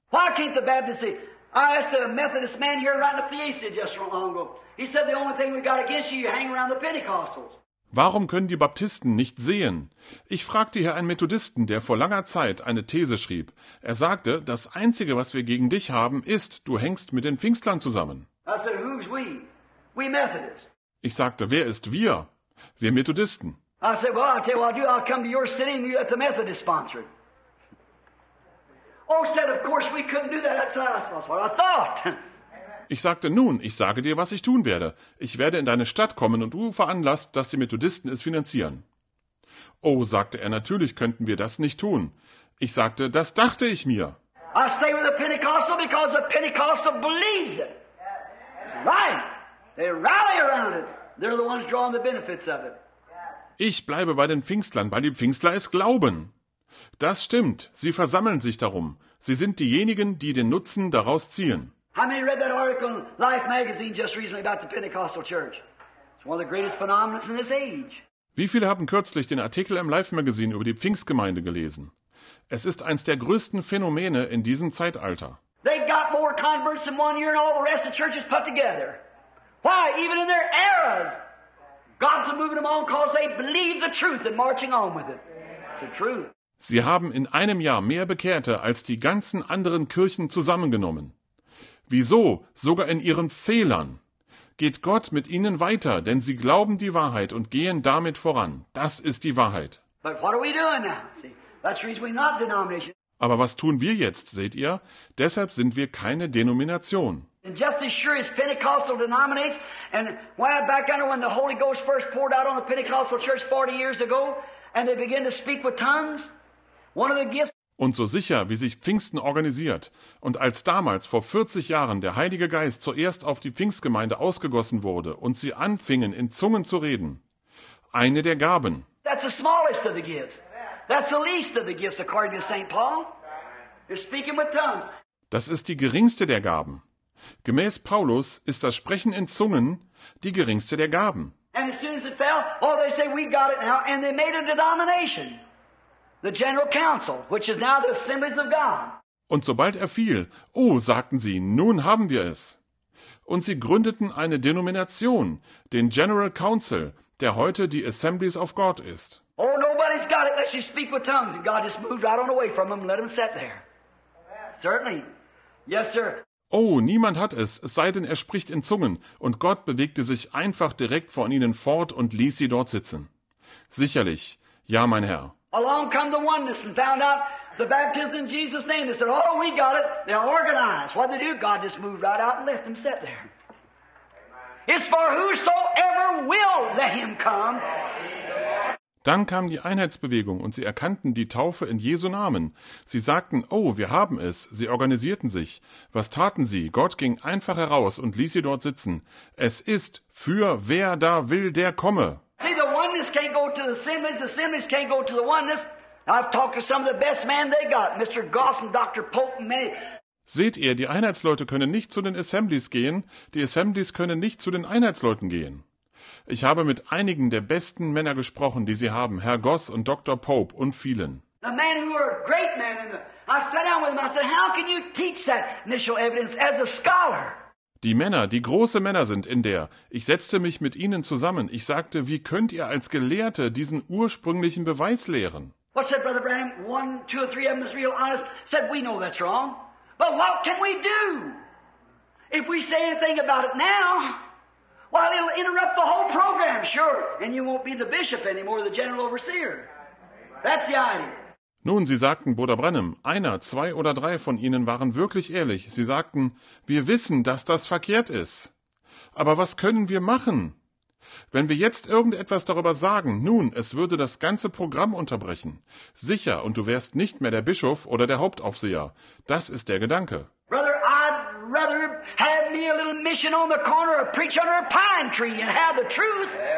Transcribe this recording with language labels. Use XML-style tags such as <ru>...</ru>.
<en>Why can't the Baptist say, I asked a Methodist man here around the Fiesta just long ago. He said the only thing we got against you, you hang around the Pentecostals.</en> <de>Warum können die Baptisten nicht sehen? Ich fragte hier einen Methodisten, der vor langer Zeit eine These schrieb. Er sagte, das Einzige, was wir gegen dich haben, ist, du hängst mit den Pfingstlern zusammen.</de> <en>I said, who's we? We Methodists.</en> <de>Ich sagte, wer ist wir? Wir Methodisten.</de> <en>I said, well, I'll tell you what I'll do. I'll come to your city and you let the Methodist sponsor it. Oh, said, of course we couldn't do that. That's what I thought.</en> <de>Ich sagte, nun, ich sage dir, was ich tun werde. Ich werde in deine Stadt kommen und du veranlasst, dass die Methodisten es finanzieren. Oh, sagte er, natürlich könnten wir das nicht tun. Ich sagte, das dachte ich mir.</de> <en>I stay with the Pentecostal because the Pentecostal believes it. Right. They rally around it. They're the ones drawing the benefits of it.</en> <de>Ich bleibe bei den Pfingstlern, weil die Pfingstler es glauben. Das stimmt. Sie versammeln sich darum. Sie sind diejenigen, die den Nutzen daraus ziehen.</de> <en>How many read that article in Life magazine just recently about the Pentecostal church? It's one of the greatest phenomena in this age.</en> <de>Wie viele haben kürzlich den Artikel im Life magazine über die Pfingstgemeinde gelesen? Es ist eins der größten Phänomene in diesem Zeitalter.</de> <en>They got more converts in one year than all the rest of the churches put together. Why? Even in their eras, God's moving them on because they believe the truth and marching on with it. It's the truth.</en> <de>Sie haben in einem Jahr mehr Bekehrte als die ganzen anderen Kirchen zusammengenommen. Wieso? Sogar in ihren Fehlern. Geht Gott mit ihnen weiter, denn sie glauben die Wahrheit und gehen damit voran. Das ist die Wahrheit.</de> <en>But what are we doing now? See, that's the reason we're not denomination.</en> <de>Aber was tun wir jetzt, seht ihr? Deshalb sind wir keine Denomination.</de> <en>And just as sure as Pentecostal denominates, and while back under when the Holy Ghost first poured out on the Pentecostal church 40 years ago, and they began to speak with tongues, one of the gifts.</en> <de>Und so sicher, wie sich Pfingsten organisiert, und als damals vor 40 Jahren der Heilige Geist zuerst auf die Pfingstgemeinde ausgegossen wurde und sie anfingen, in Zungen zu reden, eine der Gaben.</de> <en>That's the smallest of the gifts. That's the least of the gifts, according to St. Paul. You're speaking with tongues.</en> <de>Das ist die geringste der Gaben. Gemäß Paulus ist das Sprechen in Zungen die geringste der Gaben.</de> <en>And as soon as it fell, oh, they say, we got it now, and they made a denomination. The General Council, which is now the Assemblies of God.</en> <de>Und sobald er fiel, oh, sagten sie, nun haben wir es. Und sie gründeten eine Denomination, den General Council, der heute die Assemblies of God ist.</de> <en>Oh, nobody's got it unless you speak with tongues. And God just moved right on away from them and let them sit there. Certainly. Yes, sir.</en> <de>Oh, niemand hat es, es sei denn, er spricht in Zungen. Und Gott bewegte sich einfach direkt von ihnen fort und ließ sie dort sitzen. Sicherlich. Ja, mein Herr.</de> <en>Along come the oneness and found out the baptism in Jesus' name. They said, oh, we got it. They're organized. What did they do? God just moved right out and left them set there. Amen. It's for whosoever will let him come.</en> <de>Dann kam die Einheitsbewegung und sie erkannten die Taufe in Jesu Namen. Sie sagten, oh, wir haben es. Sie organisierten sich. Was taten sie? Gott ging einfach heraus und ließ sie dort sitzen. Es ist für wer da will, der komme.</de> <en>See, the oneness can't go to the assemblies. The assemblies can't go to the oneness. I've talked to some of the best men they got, Mr. Goss and Dr. Pope and many.</en> <de>Seht ihr, die Einheitsleute können nicht zu den Assemblies gehen. Die Assemblies können nicht zu den Einheitsleuten gehen. Ich habe mit einigen der besten Männer gesprochen, die sie haben, Herr Goss und Dr. Pope und vielen.</de> <en>The men who are great men. I sat down with them. I said, how can you teach that initial evidence as a scholar?</en> <de>Die Männer, die große Männer sind in der. Ich setzte mich mit ihnen zusammen. Ich sagte, wie könnt ihr als Gelehrte diesen ursprünglichen Beweis lehren?</de> <en>What said Brother Branham? One, two or three of them is real honest. Said, we know that's wrong. But what can we do? If we say anything about it now, well, it'll interrupt the whole program, sure. And you won't be the bishop anymore, the general overseer. That's the idea.</en> <de>Nun, sie sagten, Bruder Branham, einer, zwei oder drei von ihnen waren wirklich ehrlich. Sie sagten, wir wissen, dass das verkehrt ist. Aber was können wir machen? Wenn wir jetzt irgendetwas darüber sagen, nun, es würde das ganze Programm unterbrechen. Sicher, und du wärst nicht mehr der Bischof oder der Hauptaufseher. Das ist der Gedanke.</de> <en>Brother, I'd rather have me a little mission on the corner or preach under a pine tree and have the truth.</en>